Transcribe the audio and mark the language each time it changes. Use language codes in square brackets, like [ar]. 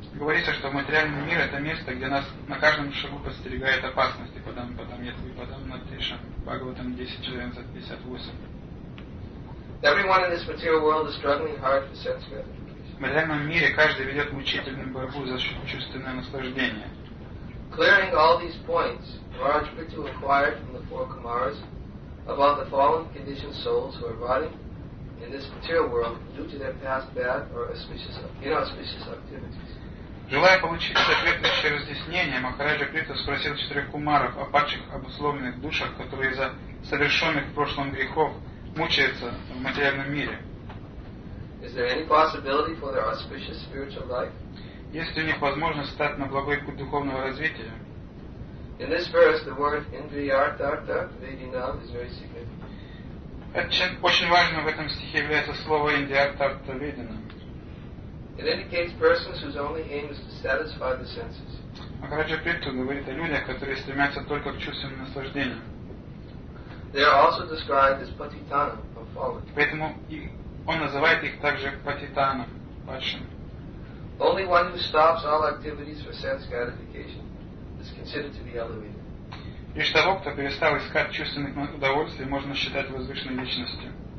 [ru] Говорится, что материальный мир — это место, где нас на каждом шагу подстерегает опасность. Потом нет, и потом на тише. Бхагаватам 10.458. В материальном мире каждый ведет мучительную борьбу за чувственное наслаждение. [en] Clearing all these points, Maharaj Prithu inquired from the four Kumaras about the fallen conditioned souls who are rotting in this material world due to their past bad or inauspicious activities. [ru] Желая получить соответствующее разъяснение, Махараджа Прита спросил четырех кумаров о падших обусловленных душах, которые из-за совершенных в прошлом грехов мучаются в материальном мире. [en] Is there any possibility for their auspicious spiritual life? [ru] Есть ли у них возможность стать на благой путь духовного развития? [en] In this verse, the word indriyartartha vedinam is very significant. [ru] Очень важно в этом стихе является слово индриартартха веденам. [en] It indicates persons whose only aim is to satisfy the senses. [ru] Махараджа Прита говорит о людях, которые стремятся только к чувственным наслаждениям. [en] They are also described as patitana, or fallen. [ru] Поэтому он называет их также патитана, падшим. [en] Only one who stops all activities for sense gratification is considered to be elevated. [ru] Лишь того, кто перестал искать чувственных удовольствий, можно считать возвышенной личностью.